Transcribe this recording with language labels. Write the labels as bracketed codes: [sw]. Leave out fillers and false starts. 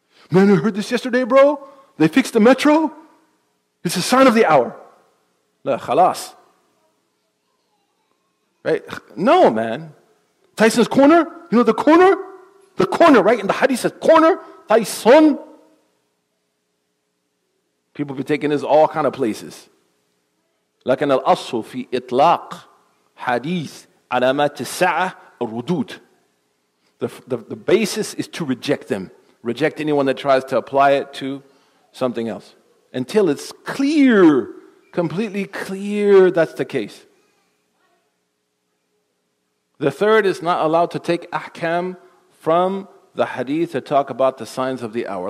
[en] Man, I heard this yesterday, bro. They fixed the metro. It's a sign of the hour. [ar] La khalas. [en] Right? No, man. Tyson's corner, you know the corner? The corner, right? In the hadith says corner, Tyson. People be taking this all kind of places. [ar] لكن الأصل في إطلاق حديث علامات الساعة الردود. [en] The basis is to reject them. Reject anyone that tries to apply it to something else. Until it's clear, completely clear that's the case. The third is not allowed to take ahkam from the hadith to talk about the signs of the hour.